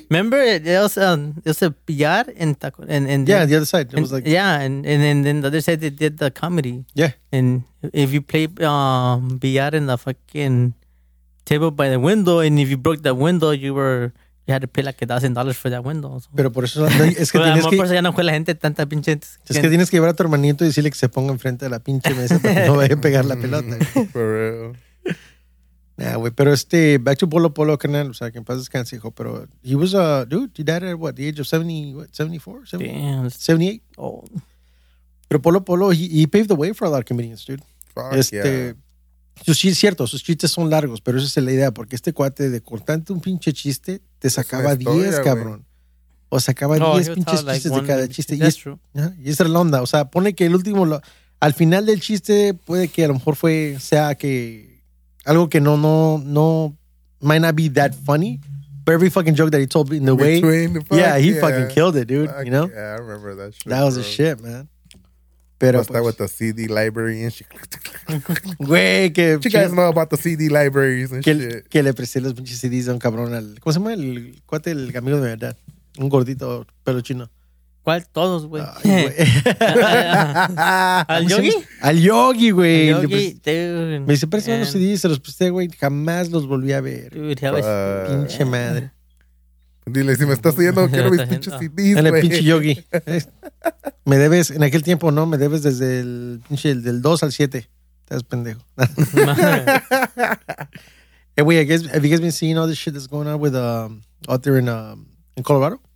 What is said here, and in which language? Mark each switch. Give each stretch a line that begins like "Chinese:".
English: Remember, it was a billar and taco. Yeah, the other side. It was like. Yeah, and then the other side, they did the comedy. Yeah. And if you play billar in the fucking table by the window, and if you broke that window, you had to pay like $1,000 for that window. So.
Spanish: Pero por eso. Es que tienes por eso ya no fue la gente tanta pinche. Es que tienes que llevar a tu hermanito y decirle que se ponga enfrente de la pinche mesa para que no vaya a pegar la pelota.
English: For real. Nah, wey, pero back to Polo, canal,
Spanish: o sea, que en paz descanse, hijo,
English: pero he was a, dude, he died at what, the age of 74, 78? Damn. Pero Polo, he paved the way for a lot of comedians, dude. Fuck, yeah.
Spanish: Sí, es cierto, sus chistes son largos, pero esa es la idea, porque este cuate de cortante un pinche chiste te sacaba 10, cabrón. Wey. O sacaba 10 pinches chistes de cada chiste.
English: That's true.
Spanish: Y esa es la onda. O sea, pone que el último, al final del chiste, puede que a lo mejor sea que algo que no
English: might not be that funny, but every fucking joke that he told in the way, the fuck, he fucking killed it, dude. Fuck, you know? Yeah, I remember that shit. That was the shit, man. Pero start with the CD library and shit.
Spanish: Güey, que...
English: You guys know about the CD libraries and shit.
Spanish: Que le presté los pinches CDs a un cabrón al... ¿Cómo se llama el cuate, el amigo de mi verdad? Un gordito, pelo chino. ¿Cuál? Todos, güey. ¿Al Yogi? Al Yogi, güey. Al Yogi, dude. Me dice, presté los CDs, se los presté, güey. Jamás los volví a ver. Dude, ya ves. Pinche madre. Dile, si me estás oyendo, quiero mis pinches CDs, güey. El pinche Yogi. Me debes, en aquel tiempo, ¿no? Me debes desde el pinche, del 2 al 7. Estás pendejo.
English: Hey, güey, have you guys been seeing all this shit that's going on with out there in Colorado?